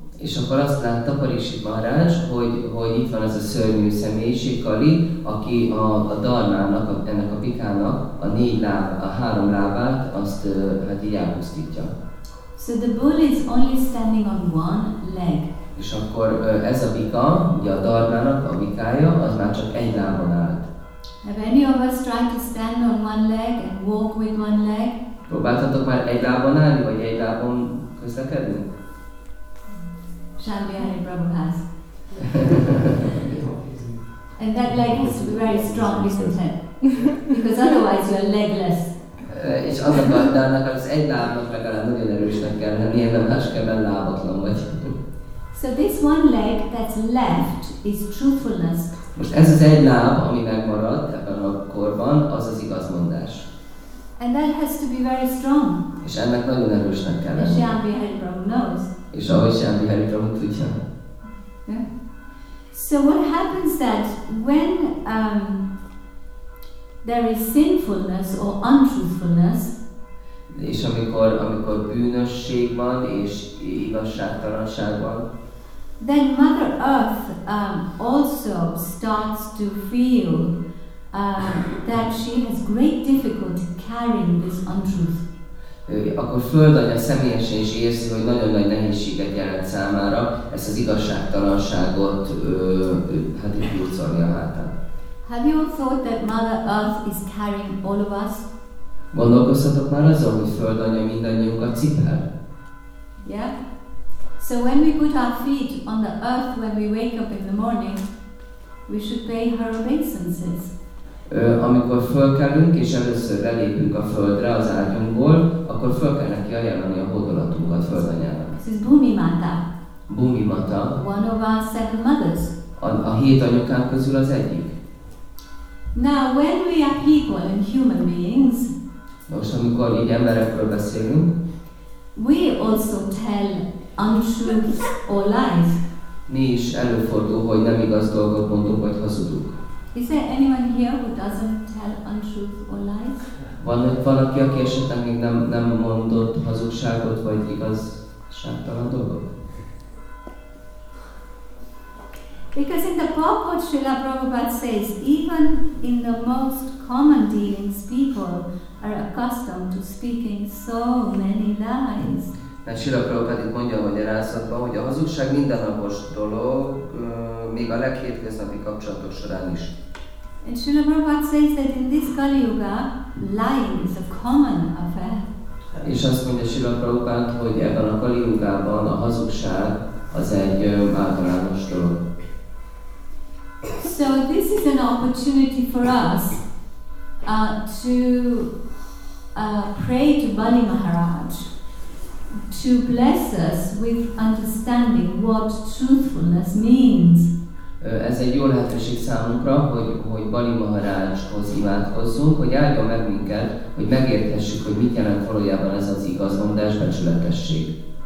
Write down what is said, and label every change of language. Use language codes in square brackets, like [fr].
[hu] És akkor azt látta Parikshit Maharaj, hogy itt van ez a szörnyű személyiség Kali, aki a dharmának, ennek a bikának a négy láb, a három lábát azt hát így elpusztítja. [en] So the bull is only standing on one leg. [hu] És akkor ez a bika, ugye a dharmának a bikája, az már csak egy lábon állt. [en] Have any of us tried to stand on one leg and walk with one leg? [hu] Próbáltatok már egy lábon állni, vagy egy lábon közlekedni? [en] Shambhyani Prabhupada. And that leg has to be very strong, isn't it? Because otherwise you're legless. [hu] És az a gondának az egy lábnak legalább nagyon erősnek kell lenni, ilyen nem máskében lábatlan vagy. [en] So this one leg that's left is truthfulness. [hu] Most ez az egy láb, ami megmaradt ebben a korban, az az igazmondás. [en] And that has to be very strong. [hu] És ennek nagyon erősnek kell lenni. [en] Shambhyani Prabhupada knows. [hu] És ahogy Shambhyani Prabhupada tudja. [en] Yeah. So what happens that when there is sinfulness or untruthfulness? [hu] És amikor bűnösség van és igazságtalanság van. [en] Then Mother Earth also starts to feel that she has great difficulty carrying this untruth. [hu] Akkor Földanya személyesen is érzi, hogy nagyon nagy nehézséget jelent számára ezt az igazságtalanságot hát így húzolni a hátán. [en] Have you thought that Mother Earth is carrying all of us? [hu] Gondolkoztatok már azon, hogy Földanya mindannyiunkat cipel? [en] Yeah. So when we put our feet on the earth when we wake up in the morning, we should pay her obeisances. [hu] Amikor fölkelünk és először belépünk a földre az ágyunkból, akkor föl kell neki ajánlani a hódolatunkat Földanyának. [en] This is Bhumi Mata. [hu] Bhumi Mata. [en] One of our seven mothers. [hu] A hét anyukán közül az egyik. [en] Now when we are people and human beings, [hu] most amikor így emberekről beszélünk, [en] we also tell untruths or lies. [hu] Mi is előfordul, hogy nem igaz dolgot mondunk, vagy hazudunk. [en] Is there anyone here who doesn't tell untruth or lies? [hu] Van aki, aki esetleg még nem mondott hazugságot, vagy igazságtalan dolgot? [en] Because in the purport, Srila Prabhupada says, even in the most common dealings, people are accustomed to speaking so many lies. [hu] Mert Srila Prabhupada itt mondja a magyarázatban, hogy a hazugság mindennapos dolog, még a leghétköznapi kapcsolatok során is. [en] And Srila Prabhupada says that in this Kali Yuga, lying is a common affair. [hu] És azt mondja Srila Prabhupada, hogy ebben a Kali Yugában a hazugság az egy bátorános dolog. [en] So this is an opportunity for us to pray to Bali Maharaj to bless us with understanding what truthfulness means. [hu] Ez egy jó lehetőség számunkra, hogy Bali Maharajhoz imádkozzunk, hogy áldjon meg minket, hogy megérthessük, hogy mit jelent valójában ez az igazmondás, becsületesség.